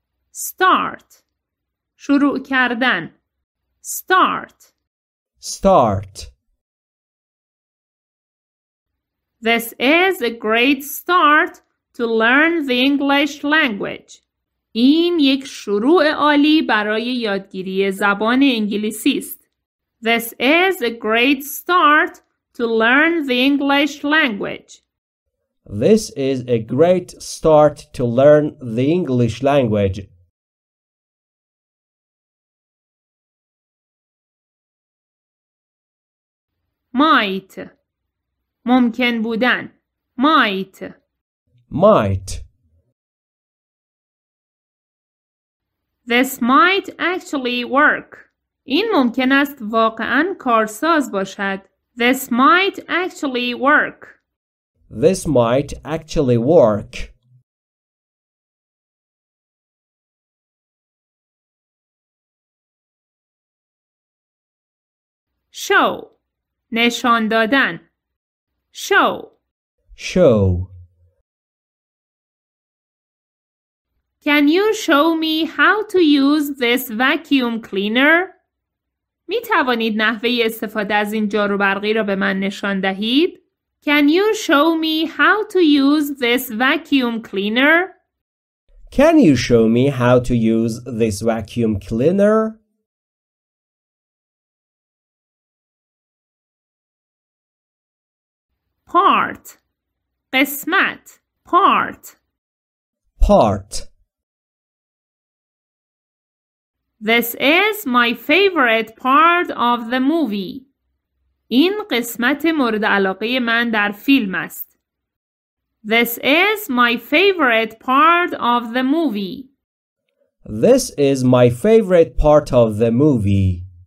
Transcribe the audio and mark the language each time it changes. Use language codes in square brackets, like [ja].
[en] Start. شروع کردن. Start. Start. This is a great start to learn the English language. [fa] این یک شروع عالی برای یادگیری زبان انگلیسی است. [en] This is a great start to learn the English language. This is a great start to learn the English language. Might. ممکن بودن. Might. Might. This might actually work. [fa] این ممکن است واقعاً کارساز باشد. [en] This might actually work. This might actually work. Show. نشان دادن. Show. Show. Can you show me how to use this vacuum cleaner? [fa] می توانید نحوه استفاده از این جاروبرقی را به من نشان دهید؟ [en] Can you show me how to use this vacuum cleaner? Can you show me how to use this vacuum cleaner? Part. قسمت. Part. Part. This is my favorite part of the movie. [fa] این قسمت مورد علاقه من در فیلم است. [en] This is my favorite part of the movie. This is my favorite part of the movie.